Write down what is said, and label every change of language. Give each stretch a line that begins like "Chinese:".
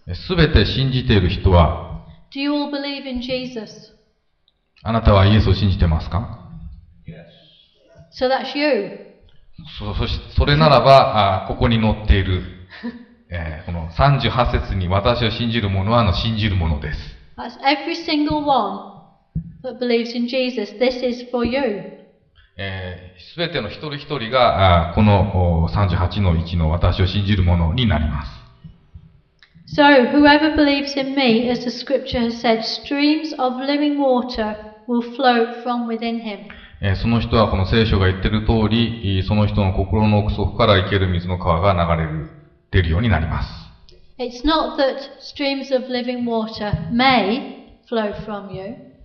Japanese: すべて信じている人は、
English: Do you all believe in Jesus?
Japanese: あなたはイエスを信じてますか?
English: Yes. So that's you.
Japanese: それならば、ここに載っている、この38節に私を信じる者はの信じる者です。
English: That's every single one. That believes in Jesus. This is for you.
Japanese: すべての一人一人がこの38の1の私を信じる者になります。
English: So whoever believes in me, as the scripture has said, streams of living water will flow from within him.
Japanese: その人はこの聖書が言っている通り、その人の心の奥底から生ける水の川が出るようになります。
English: It's not that streams of living water may flow from you.